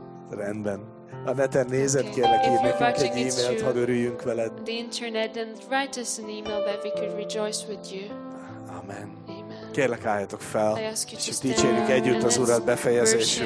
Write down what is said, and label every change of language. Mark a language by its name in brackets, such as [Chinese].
[Hungarian] Rendben. A neten nézed, okay. Kérlek, írj nekünk egy e-mailt, ha örüljünk veled. [English] The internet, then write us an email that we could rejoice with you. Amen. Amen. [Hungarian] Kérlek, álljatok fel, [English] I ask you [Hungarian] és dicsérjük együtt az Urat befejezésül.